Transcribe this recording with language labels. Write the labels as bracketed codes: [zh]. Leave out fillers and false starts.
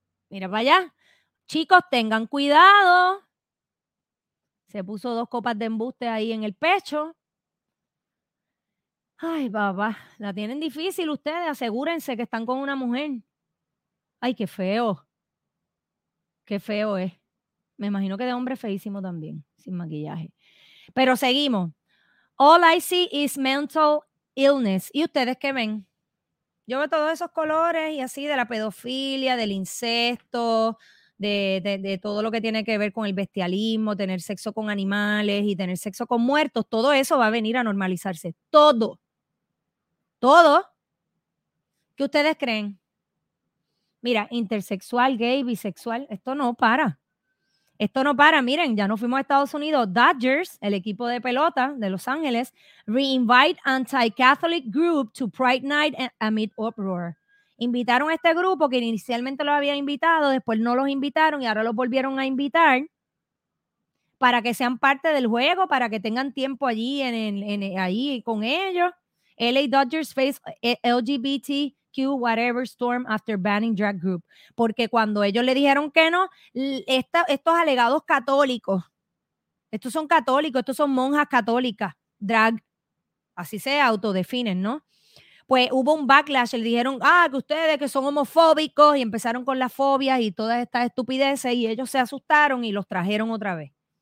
[es] Mira para allá, chicos, tengan cuidado, se puso dos copas de embuste ahí en el pecho. Ay, papá, la tienen difícil ustedes, asegúrense que están con una mujer. Ay, qué feo es. Me imagino que de hombre feísimo también, sin maquillaje. Pero seguimos. [en] All I see is mental illness. [es] ¿Y ustedes qué ven? Yo veo todos esos colores y así de la pedofilia, del incesto, de todo lo que tiene que ver con el bestialismo, tener sexo con animales y tener sexo con muertos. Todo eso va a venir a normalizarse, todo. Todo. ¿Qué ustedes creen? Mira, intersexual, gay, bisexual, esto no para. Esto no para. Miren, ya nos fuimos a Estados Unidos. Dodgers, el equipo de pelota de Los Ángeles, [en] reinvite anti-Catholic group to Pride Night amid uproar. [es] Invitaron a este grupo que inicialmente los había invitado, después no los invitaron y ahora los volvieron a invitar para que sean parte del juego, para que tengan tiempo allí ahí con ellos. [en] LA Dodgers face LGBTQ whatever storm after banning drag group. [es] Porque cuando ellos le dijeron que no, estos alegados católicos, estos son católicos, estos son monjas católicas, drag, así se autodefinen, ¿no? Pues hubo un backlash, le dijeron, que ustedes que son homofóbicos, y empezaron con las fobias y todas estas estupideces, y ellos se asustaron y los trajeron otra vez.